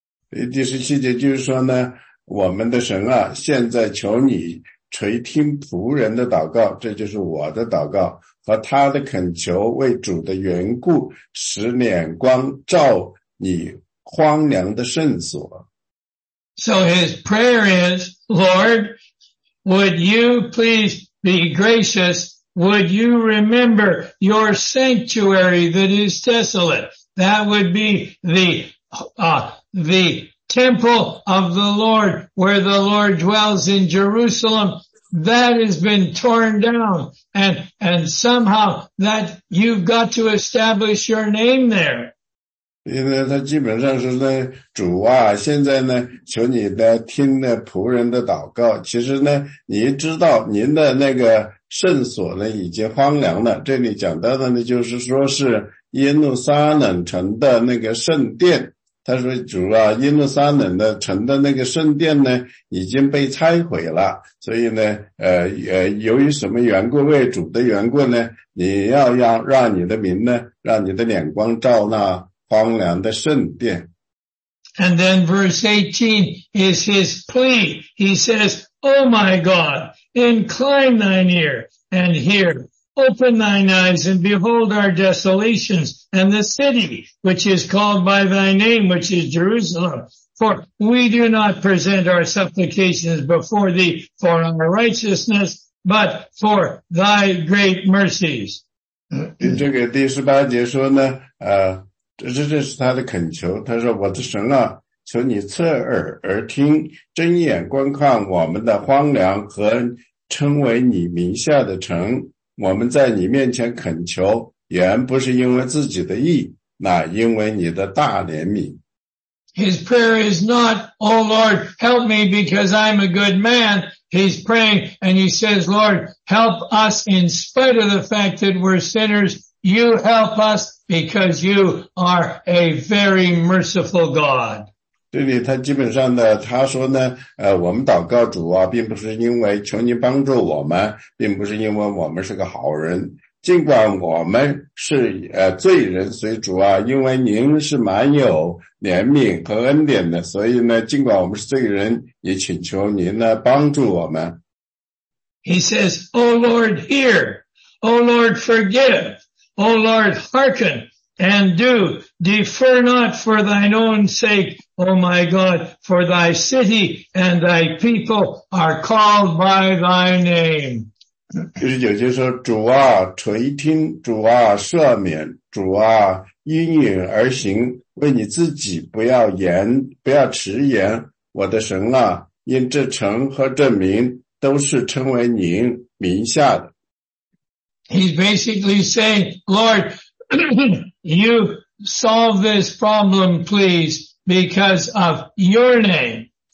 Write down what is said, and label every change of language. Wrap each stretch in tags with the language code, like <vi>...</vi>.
<zh>第十七节就是说呢，我们的神啊，现在求你垂听仆人的祷告，这就是我的祷告。和他的恳求，为主的缘故，使脸光照你荒凉的圣所。</zh> <en>So his prayer is, Lord, would you please be gracious? Would you remember your sanctuary that is desolate? That would be the temple of the Lord, where the Lord dwells in Jerusalem. That has been torn down, and somehow that you've got to establish your name there.</en> <zh>因为他基本上是呢，主啊，现在呢，求你的听那仆人的祷告。其实呢，你知道您的那个圣所呢已经荒凉了。这里讲到的呢，就是说是耶路撒冷城的那个圣殿。他说：“主啊，耶路撒冷的城的那个圣殿呢，已经被拆毁了。所以呢，由于什么缘故？为主的缘故呢？你要让你的名呢，让你的脸光照那荒凉的圣殿。”</zh> <en>And then verse 18 is his plea. He says, "Oh my God, incline thine ear and hear." Open thine eyes and behold our desolations and the city which is called by thy name, which is Jerusalem. For we do not present our supplications before thee for our righteousness, but for thy great mercies.</en> <zh>这个第十八节说呢，这是他的恳求。他说，我的神啊，求你侧耳而听，睁眼观看我们的荒凉和称为你名下的城。我们在你面前恳求，原不是因为自己的义，乃因为你的大怜悯。</zh> <en>His prayer is not, O Lord, help me because I'm a good man. He's praying and he says, Lord, help us in spite of the fact that we're sinners. You help us because you are a very merciful God.</en> <zh>这里他基本上的他说呢，我们祷告主啊，并不是因为求您帮助我们，并不是因为我们是个好人，尽管我们是罪人，所以主啊，因为您是蛮有怜悯和恩典的，所以呢，尽管我们是罪人，也请求您呢帮助我们。</zh> <en>He says, Oh Lord, hear. Oh Lord, forgive. Oh Lord, hearken and do. Defer not for thine own sake, O my God, for thy city and thy people are called by thy name.</en> <zh>19节说主啊垂听主啊赦免主啊因允而行为你自己不要言不要迟言我的神啊因这城和这民都是称为您名下的。</zh> <en>He's basically saying, Lord, you solve this problem, please, because of your name.</en>